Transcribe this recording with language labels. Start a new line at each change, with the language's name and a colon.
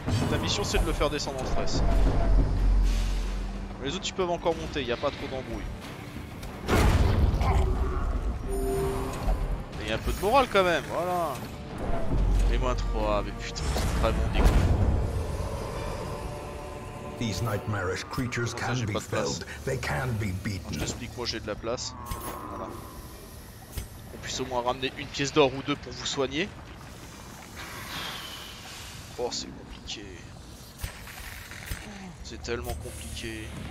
French: Ta mission c'est de le faire descendre en stress. Les autres ils peuvent encore monter, y'a pas trop d'embrouille. Mais y'a un peu de morale quand même, voilà. Et moins 3, mais putain, c'est vraiment des coups.
English: These nightmarish creatures can be felled. They can be beaten.
French: Je t'explique, moi j'ai de la place. Voilà. Qu'on puisse au moins ramener une pièce d'or ou deux pour vous soigner. Oh, c'est compliqué. C'est tellement compliqué.